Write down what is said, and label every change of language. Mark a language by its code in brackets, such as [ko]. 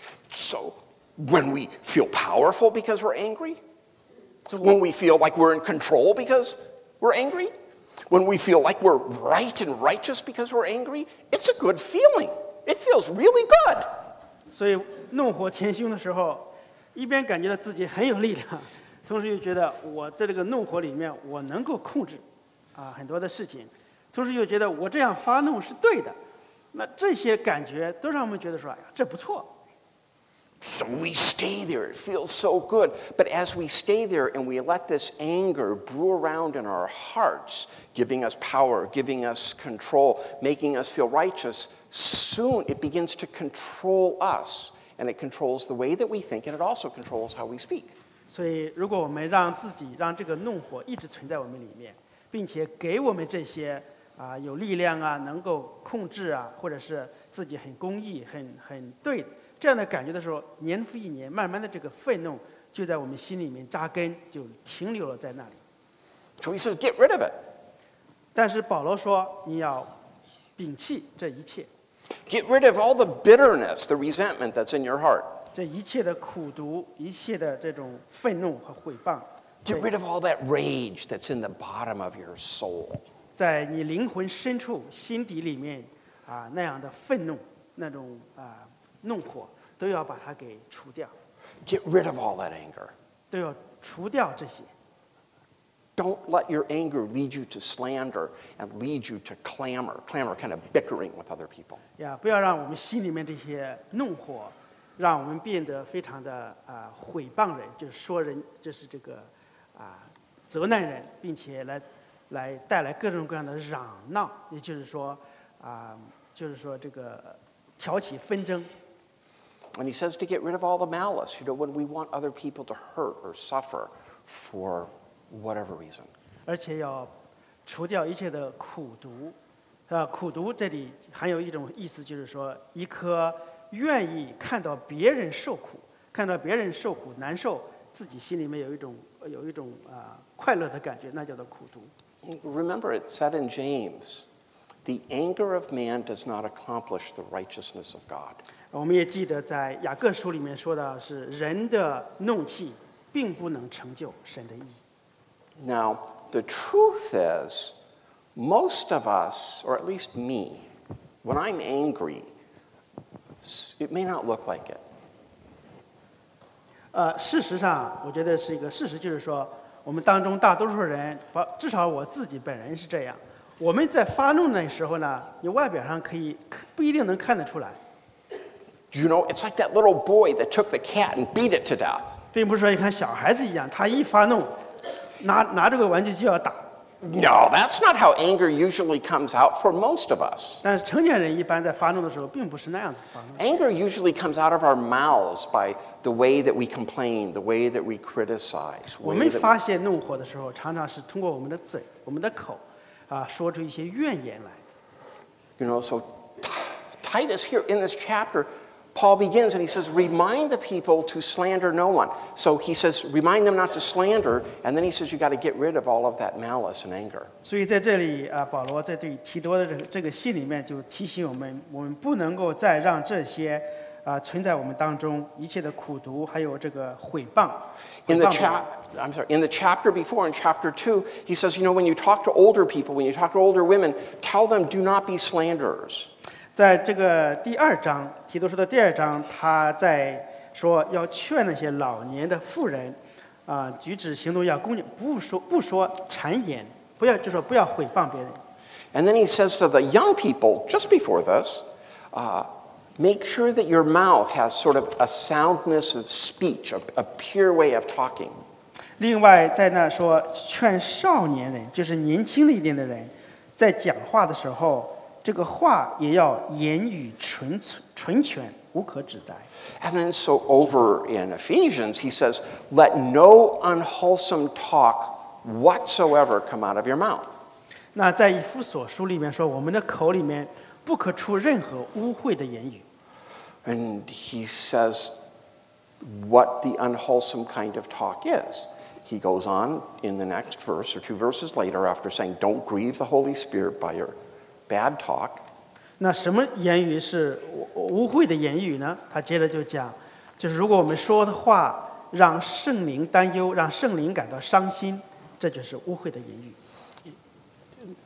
[en] So when we feel powerful because we're angry when we feel like we're in control because we're angry when we feel like we're right and righteous because we're angry it's a good feeling it feels really good [zh] 所以怒火填胸的时候一边感觉到自己很有力量同时又觉得我在这个怒火里面我能够控制很多的事情同时又觉得我这样发怒是对的那这些感觉都让我们觉得说哎呀，这不错 [en] So we stay there. It feels so good. But as we stay there and we let this anger brew around in our hearts, giving us power, giving us control, making us feel righteous, soon it begins to control us, and it controls the way that we think, and it also controls how we speak. [zh] 所以如果我们让自己让这个怒火一直存在我们里面，并且给我们这些啊有力量啊能够控制啊或者是自己很公义很对这样的感觉的时候，年复一年慢慢的这个愤怒就在我们心里面扎根，就停留了在那里。 [en] So he says, get rid of it. [zh] 但是保罗说你要摒弃这一切。 [en] Get rid of all the bitterness, the resentment that's in your heart. [zh] 这一切的苦毒，一切的这种愤怒和毁谤。 [en] Get rid of all that rage that's in the bottom of your soul. [zh] 在你灵魂深处，心底里面啊那样的愤怒，那种啊怒火，都要把它给除掉。 [en] Get rid of all that anger. [zh] 都要除掉这些。 [en] Don't let your anger lead you to slander and lead you to clamor, kind of bickering with other people. [zh] Yeah, 不要让我们心里面这些怒火，让我们变得非常的啊毁谤人，就是说人，就是这个啊责难人，并且来带来各种各样的嚷闹，也就是说啊，就是说这个挑起纷争。 [en] And he says to get rid of all the malice. You know, when we want other people to hurt or suffer for whatever reason. [zh] 而且要除掉一切的苦毒，苦毒这里含有一种意思，就是说一颗愿意看到别人受苦，看到别人受苦难受，自己心里面有一种快乐的感觉，那叫做苦毒。 [en] Remember, it said in James, the anger of man does not accomplish the righteousness of God. [zh] 我们也记得在雅各书里面说的是，人的怒气并不能成就神的义。 [en] Now, the truth is, most of us, or at least me, when I'm angry, it may not look like it. [zh] 事实上，我觉得是一个事实，就是说，我们当中大多数人，至少我自己本人是这样。我们在发怒的时候呢，你外表上可以不一定能看得出来。 [en] You know, it's like that little boy that took the cat and beat it to death. [zh] 并不是说像小孩子一样，他一发怒。拿这个玩具就要打。 [en] No, that's not how anger usually comes out for most of us. [zh] 但是成年人一般在发怒的时候并不是那样子发怒。 [en] Anger usually comes out of our mouths by the way that we complain, the way that we criticize. [zh] 我们发泄怒火的时候常常是通过我们的嘴我们的口说出一些怨言来。 [en] You know, so Titus here in this chapter,Paul begins and he says, remind the people to slander no one. So he says, remind them not to slander, and then he says, you've got to get rid of all of that malice and anger. [zh] 所以在这里，保罗在对提多的这个信里面就提醒我们，我们不能够再让这些存在我们当中一切的苦毒还有这个毁谤。 [en] In the chapter before, in chapter 2, he says, you know, when you talk to older people, when you talk to older women, tell them, do not be slanderers. [zh] 在这个第二章提多书的第二章他在说要劝那些老年的妇人举止行动要恭敬不说谗言不要就说不要毁谤别人 [en] And then he says to the young people just before this make sure that your mouth has sort of a soundness of speech a pure way of talking [zh] 另外在那说劝少年人就是年轻的一点的人在讲话的时候这个话也要言语纯全无可指摘 [en] And then so over in Ephesians, he says, let no unwholesome talk whatsoever come out of your mouth. [zh] 那在以弗所书里面说我们的口里面不可出任何污秽的言语。 [en] And he says what the unwholesome kind of talk is. He goes on in the next verse or two verses later after saying, don't grieve the Holy Spirit by your bad talk. [zh] 那什么言语是污秽的言语呢？他接着就讲，就是如果我们说的话让圣灵担忧，让圣灵感到伤心，这就是污秽的言语。